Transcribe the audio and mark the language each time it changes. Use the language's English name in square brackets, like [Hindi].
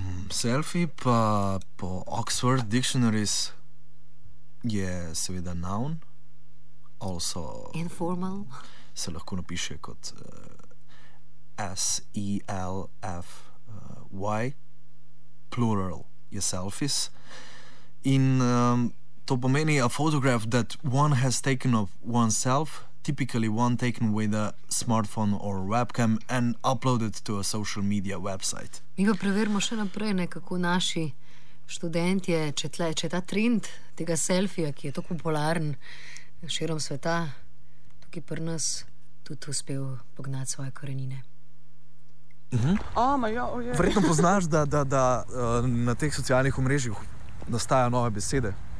[Slovenian] Selfie pa po Oxford Dictionaries je seveda noun, also [English] informal, [Slovenian] se lahko napiše kot S-E-L-F Why? Plural je selfies. In to pomeni [English] a photograph that one has taken of oneself, typically one taken with a smartphone or webcam and uploaded to a social media website. [Slovenian] Mi pa preverimo še naprej, nekako naši študentje, če ta trend tega selfija, ki je tako popularen širom sveta, tukaj pri nas tudi uspel pognati svoje korenine. Verjetno poznaš, da na teh socialnih omrežjih nastajajo nove besede.